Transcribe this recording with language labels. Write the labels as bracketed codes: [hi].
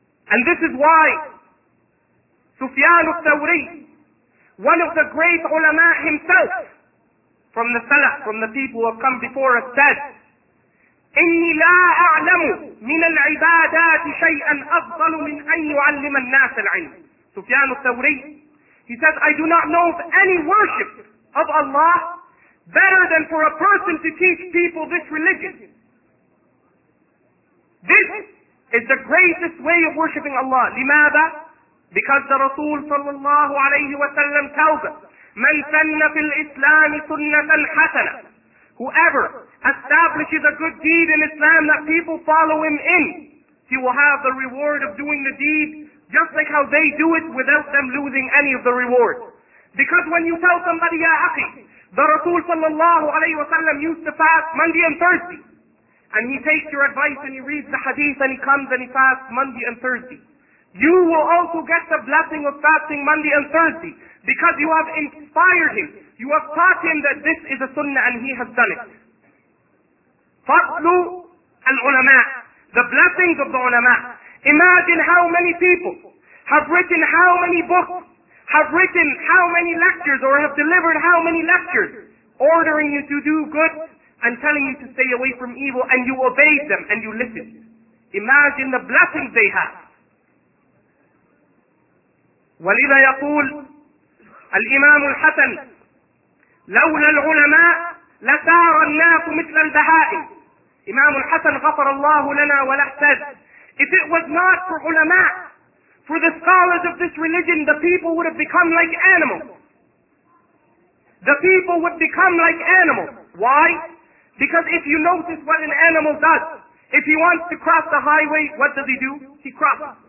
[en] And this is why Sufyan al-Thawri, one of the great ulama himself, from the salaf, from the people who have come before us, said, [ar] إني لا أعلم من العبادات شيئا أفضل من أن يعلم الناس العلم. [en] سفيان الثوري, he says, I do not know of any worship of Allah better than for a person to teach people this religion. This is the greatest way of worshiping Allah. [ar] لماذا? [en] Because the Rasul صلى الله عليه وسلم tells us, [ar] من سن في الإسلام سنة حسنة. [en] Whoever establishes a good deed in Islam that people follow him in, he will have the reward of doing the deed just like how they do it without them losing any of the reward. Because when you tell somebody, Ya Akhi, the Rasul sallallahu alayhi wa sallam used to fast Monday and Thursday, and he takes your advice and he reads the hadith and he comes and he fasts Monday and Thursday, you will also get the blessing of fasting Monday and Thursday because you have inspired him. You have taught him that this is a sunnah and he has done it. [ar] فَضْلُ الْعُلَمَاء. [en] The blessings of the ulama. Imagine how many people have written how many books, have written how many lectures, or have delivered how many lectures, ordering you to do good and telling you to stay away from evil, and you obeyed them and you listened. Imagine the blessings they have. [ar] وَلِذَا يَقُولُ الْإِمَامُ الْحَسَنِ لولا العلماء لسار الناس مثل البهائم. [en] Imam al-Hasan [ar] غفر الله لنا ولح [en] says, if it was not for ulama, for the scholars of this religion, the people would have become like animals. The people would become like animals. Why? Because if you notice what an animal does, if he wants to cross the highway, what does he do? He crosses.